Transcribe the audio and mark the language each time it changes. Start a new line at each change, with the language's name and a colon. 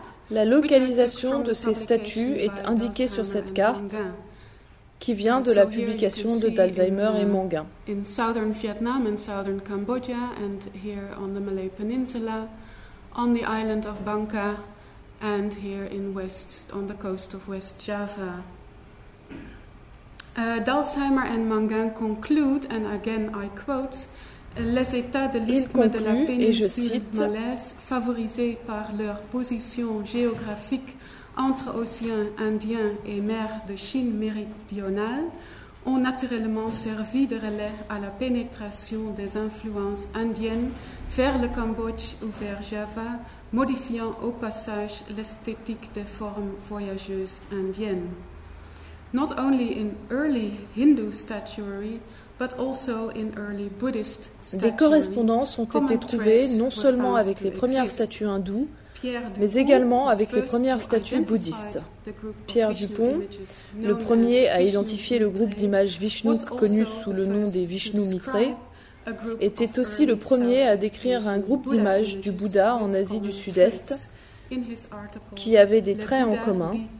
French: La localisation de ces statues est indiquée sur cette carte qui vient de la publication de Dalsheimer et Manguin.
English: In southern Vietnam and southern Cambodia and here on the Malay Peninsula, on the island of Bangka and here in West, on the coast of West Java. Dalsheimer and Mangin conclude, and again I quote,
French: les états de l'isthme de la péninsule malaise, favorisés par leur position géographique entre océan Indien et mer de Chine méridionale, ont naturellement servi de relais à la pénétration des influences indiennes vers le Cambodge ou vers Java, modifiant au passage l'esthétique des formes voyageuses indiennes.
English: Not only in early Hindu statuary, but also in early Buddhist statuary.
French: Des correspondances ont été trouvées non seulement avec les premières statues hindoues, mais également avec les premières statues bouddhistes. Pierre Dupont, le premier à identifier le groupe d'images Vishnu connu sous le nom des Vishnu Mitrés, était aussi le premier à décrire un groupe d'images du Bouddha en Asie du Sud-Est qui avait des traits en commun.